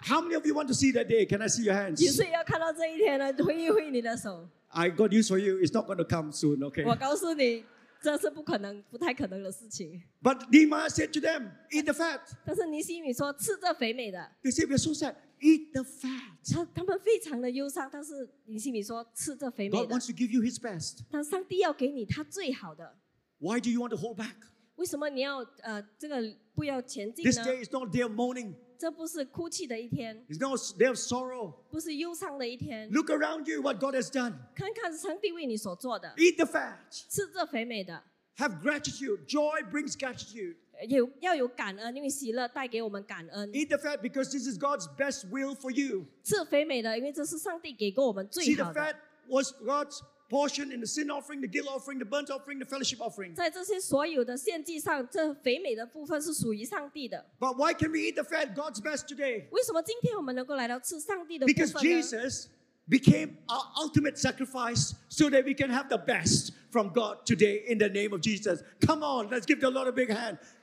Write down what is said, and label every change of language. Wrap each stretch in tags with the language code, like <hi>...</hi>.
<en>How many of you want to see that day? Can I see your hands?</en> <zh>你是要看到这一天呢，挥一挥你的手。</zh> <en>I got news for you, it's not going to come soon, okay?</en> <zh>我告诉你。这是不可能，不太可能的事情。</zh> <en>But Nehemiah said to them, eat the fat.</en> <zh>但是尼西米说吃这肥美的。</zh> <en>They said, we're so sad. Eat the fat.</en> <zh>他们非常的忧伤，但是尼西米说吃这肥美的。</zh> <en>God wants to give you His best.</en> <zh>但上帝要给你他最好的。</zh> <en>Why do you want to hold back?</en> <zh>为什么你要这个不要前进呢？</zh> <en>This day is not a day of mourning.</en> <zh>这不是哭泣的一天。</zh> <en>It's not a day of sorrow.</en> <zh>不是忧伤的一天。</zh> <en>Look around you, what God has done.</en> <zh>看看上帝为你所做的。</zh> <en>Eat the fat.</en> <zh>吃这肥美的。</zh> <en>Have gratitude. Joy brings gratitude.</en> <zh>要有感恩，因为喜乐带给我们感恩。</zh> <en>Eat the fat because this is God's best will for you.</en> <zh>吃肥美的，因为这是上帝给过我们最好的。</zh> <en>See the fat was God's portion in the sin offering, the guilt offering, the burnt offering, the fellowship offering.</en> <zh>在这些所有的献祭上，这肥美的部分是属于上帝的。</zh> <en>But why can we eat the fat, God's best today?</en> <zh>为什么今天我们能够来到吃上帝的部分呢？</zh> <en>Because Jesus became our ultimate sacrifice so that we can have the best from God today in the name of Jesus. Come on, let's give the Lord a big hand.</en>